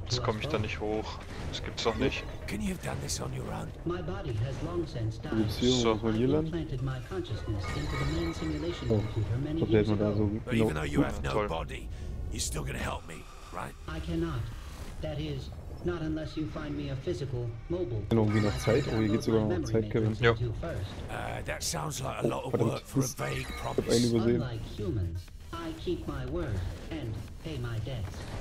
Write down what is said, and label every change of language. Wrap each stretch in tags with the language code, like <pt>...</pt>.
<de>Jetzt komme ich da nicht hoch. Das gibt's doch nicht.</de> <en>Can you have done this on your own? My body has long since died. So, I implanted my consciousness into the main simulation computer many years ago. But even though you have no body, you're still gonna help me, right? I cannot. That is. Not unless you find me a physical, mobile.</en> <de>Genau, irgendwie noch Zeit, oh, hier geht's sogar noch Zeit, Kevin.</de> <en>Ja. That sounds like a lot of work for a vague promise. Unlike humans, I keep my word and pay my debts.</en>